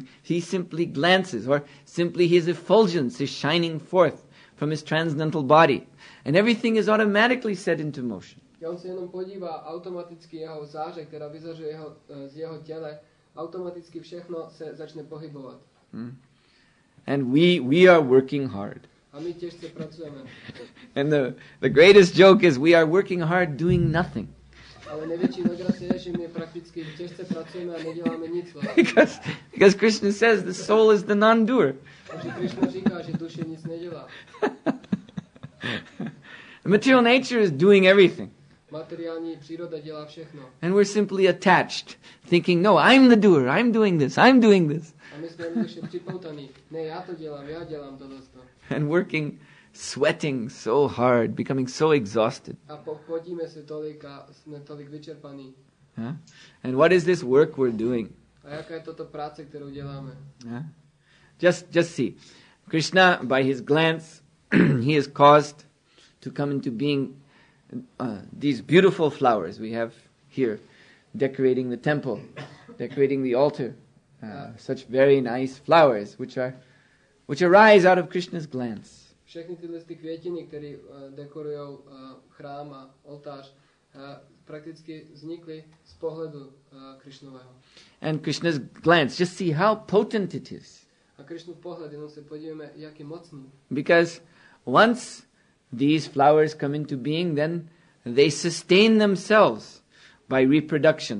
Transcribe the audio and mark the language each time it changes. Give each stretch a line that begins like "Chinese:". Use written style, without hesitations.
English: He simply glances, or simply his effulgence is shining forth from his transcendental body. And everything is automatically set into motion.
Czech: On se jenom podívá, automaticky jeho záře, která vyzařuje z jeho těle, automaticky všechno se začne pohybovat.
English: And we are working hard.
Czech: A my těžce pracujeme.
English: And the greatest joke is we are working hard doing nothing.
Czech: Ale největší legrace je, že my prakticky těžce pracujeme a neděláme nic.
English: Because Krishna says the soul is the non-doer.
Czech: Takže Krishna říká, že duše nic nedělá.
English: The material nature is doing everything.
Czech: Materiální příroda dělá všechno.
English: And we're simply attached, thinking, no, I'm the doer, I'm doing this, I'm doing this.
Czech: A my jsme jednoduše připoutaní. Ne, já to dělám, já dělám to dost.
English: And working, sweating so hard, becoming so exhausted.
Czech: A potíme se tolik a jsme tolik vyčerpaní.
English: Yeah? And what is this work we're doing?
Czech: A jaká je toto práce, kterou děláme?
English: Yeah? Just see. Krishna, by his glance, he is caused to come into being these beautiful flowers we have here, decorating the temple, decorating the altar. Such very nice flowers, which arise out of Krishna's glance.
Czech: Všechny tyhle ty květiny, které dekorují chrám a oltář, prakticky vznikly z pohledu Krishnového.
English: And Krishna's glance, just see how potent it is.
Czech: A Krishnův pohled, jenom se podívejme, jak je mocný.
English: Because once these flowers come into being, then they sustain themselves by reproduction.